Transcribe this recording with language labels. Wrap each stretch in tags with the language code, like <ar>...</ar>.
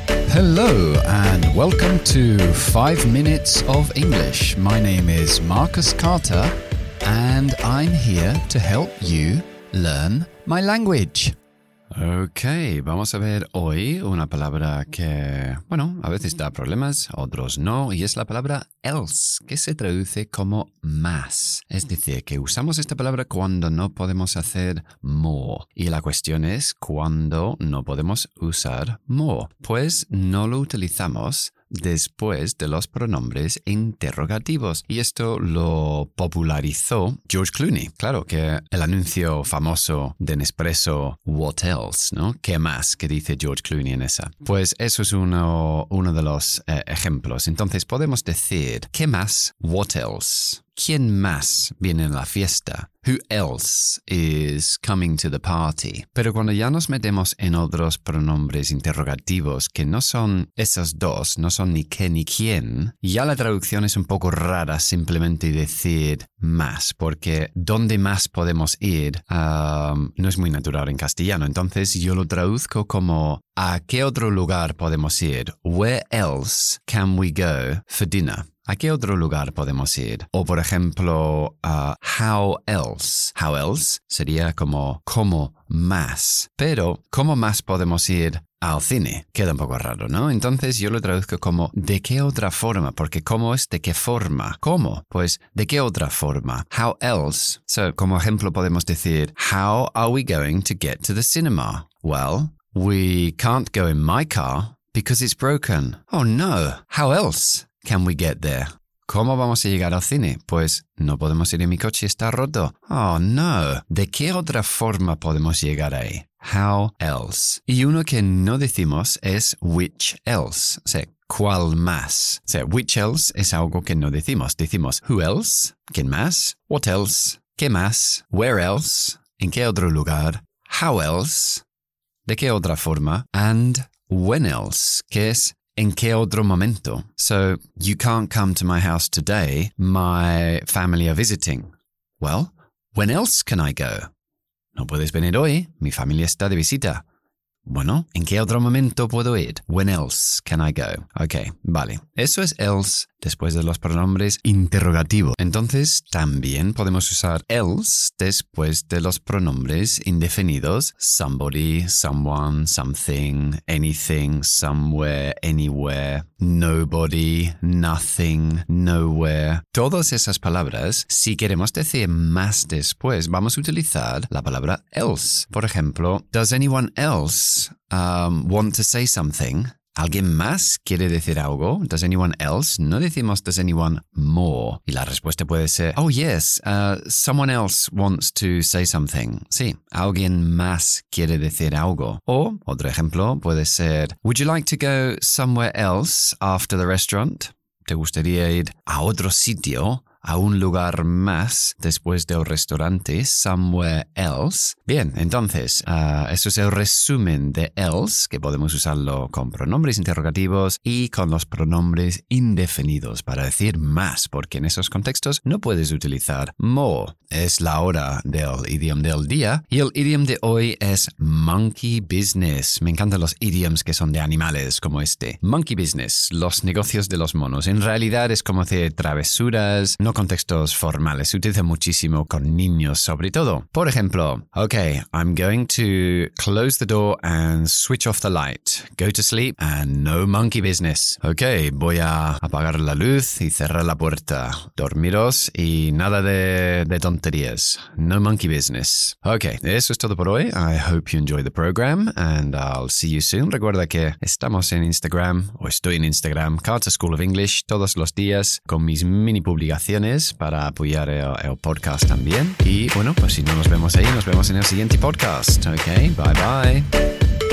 <en>Hello and welcome to 5 Minutes of English. My name is Marcus Carter and I'm here to help you learn my language.</en> <es>Okay, vamos a ver hoy una palabra que, bueno, a veces da problemas, otros no, y es la palabra else, que se traduce como más. Es decir, que usamos esta palabra cuando no podemos hacer more. Y la cuestión es, ¿cuándo no podemos usar more? Pues no lo utilizamos después de los pronombres interrogativos. Y esto lo popularizó George Clooney. Claro, que el anuncio famoso de Nespresso,</es> <en>What Else,</en> <es>¿no? ¿Qué más? ¿Qué dice George Clooney en esa? Pues eso es uno de los ejemplos. Entonces podemos decir, ¿qué más?</es> <en>What else?</en> <es>¿Quién más viene a la fiesta?</es> <en>Who else is coming to the party?</en> <es>Pero cuando ya nos metemos en otros pronombres interrogativos que no son esas dos, no son ni qué ni quién, ya la traducción es un poco rara simplemente decir más, porque ¿dónde más podemos ir? No es muy natural en castellano. Entonces yo lo traduzco como ¿a qué otro lugar podemos ir?</es> <en>Where else can we go for dinner?</en> <es>¿A qué otro lugar podemos ir? O, por ejemplo,</es> <en>how else. How else</en> <es>sería como, ¿cómo más? Pero, ¿cómo más podemos ir al cine? Queda un poco raro, ¿no? Entonces yo lo traduzco como, ¿de qué otra forma? Porque ¿cómo es de qué forma? ¿Cómo? Pues, ¿de qué otra forma?</es> <en>How else. So,</en> <es>como ejemplo podemos decir,</es> <en>how are we going to get to the cinema? Well, we can't go in my car because it's broken. Oh, no. How else can we get there?</en> <es>¿Cómo vamos a llegar al cine? Pues no podemos ir en mi coche, está roto. Oh, no. ¿De qué otra forma podemos llegar ahí?</es> <en>How else?</en> <es>Y uno que no decimos es which else. O sea, ¿cuál más? O sea, which else es algo que no decimos. Decimos</es> <en>who else,</en> <es>¿quién más?</es> <en>What else,</en> <es>¿qué más?</es> <en>Where else,</en> <es>¿en qué otro lugar?</es> <en>How else,</en> <es>¿de qué otra forma?</es> <en>And when else,</en> <es>¿qué es? ¿En qué otro momento? So, you can't come to my house today. My family are visiting. Well, when else can I go? No puedes venir hoy. Mi familia está de visita. Bueno, ¿en qué otro momento puedo ir?</es> <en>When else can I go?</en> <es>Okay, vale. Eso es else después de los pronombres interrogativos. Entonces, también podemos usar else después de los pronombres indefinidos.</es> <en>Somebody, someone, something, anything, somewhere, anywhere, nobody, nothing, nowhere.</en> <es>Todas esas palabras, si queremos decir más después, vamos a utilizar la palabra else. Por ejemplo,</es> <en>does anyone else want to say something?</en> <es>¿Alguien más quiere decir algo?</es> <en>Does anyone else?</en> <es>No decimos does anyone more. Y la respuesta puede ser,</es> <en>oh yes, someone else wants to say something.</en> <es>Sí, alguien más quiere decir algo. O, otro ejemplo, puede ser,</es> <en>would you like to go somewhere else after the restaurant?</en> <es>¿Te gustaría ir a otro sitio a un lugar más después del restaurante,</es> <en>somewhere else.</en> <es>Bien, entonces, eso es el resumen de else, que podemos usarlo con pronombres interrogativos y con los pronombres indefinidos para decir más, porque en esos contextos no puedes utilizar more. Es la hora del idioma del día y el idioma de hoy es monkey business. Me encantan los idioms que son de animales como este. Monkey business, los negocios de los monos. En realidad es como hacer travesuras, no contextos formales. Se utiliza muchísimo con niños sobre todo. Por ejemplo,</es> <en>okay, I'm going to close the door and switch off the light. Go to sleep and no monkey business.</en> <es>Okay, voy a apagar la luz y cerrar la puerta. Dormiros y nada de tonterías.</es> <en>No monkey business.</en> <es>Okay, eso es todo por hoy.</es> <en>I hope you enjoy the program and I'll see you soon.</en> <es>Recuerda que estamos en Instagram, o estoy en Instagram, Carter School of English, todos los días con mis mini publicaciones para apoyar el podcast también. Y bueno, pues si no nos vemos ahí, nos vemos en el siguiente podcast. Okay, bye bye.</es>